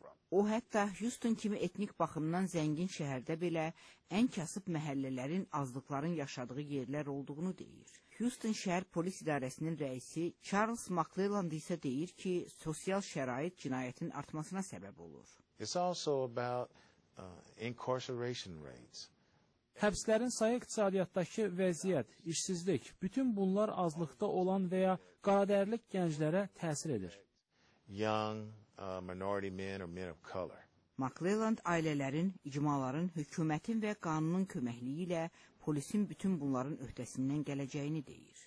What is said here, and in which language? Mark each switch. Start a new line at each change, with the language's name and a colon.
Azerbaijani: O, hətta Houston kimi etnik baxımdan zəngin şəhərdə belə ən kasıb məhəllələrin azlıqların yaşadığı yerlər olduğunu deyir. Houston şəhər polis idarəsinin rəisi Charles McClelland isə deyir ki, sosial şərait cinayətin artmasına səbəb olur.
English: It's also about incarceration rates.
Azerbaijani: Həbslərin sayı, iqtisadiyyatdakı vəziyyət, işsizlik, bütün bunlar azlıqda olan və ya qaradərlik gənclərə təsir edir.
English: Young minority men or men of color.
Azerbaijani: McClelland ailələrin, icmaların, hökumətin və qanunun köməkliyi ilə polisin bütün bunların öhdəsindən gələcəyini deyir.